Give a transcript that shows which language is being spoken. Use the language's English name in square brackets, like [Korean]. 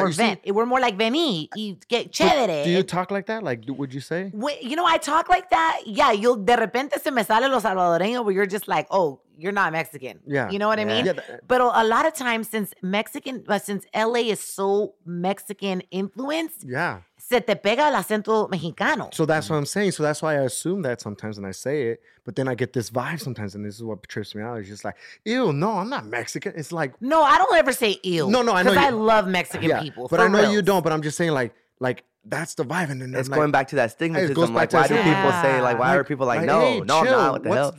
[English] Or ven. See, we're more like, vení. [Spanish] Y que chévere. [English] Do you talk like that? Like, would you say? I talk like that. Yeah. You'll, [Spanish] de repente se me sale lo salvadoreño, [English] where you're just like, oh, you're not Mexican. Yeah. You know what I mean? Yeah, but a lot of times, since LA is so Mexican influenced. Yeah. [Spanish] Se te pega el acento mexicano. [English] So that's what I'm saying. So that's why I assume that sometimes and I say it. But then I get this vibe sometimes. And this is what trips me out. It's just like, ew, no, I'm not Mexican. It's like. No, I don't ever say ew. No, I know. Because I love Mexican people. But I know real. You don't. But I'm just saying like that's the vibe. And then it's like, going back to that stigmatism. Like, why are people like, no, what the hell?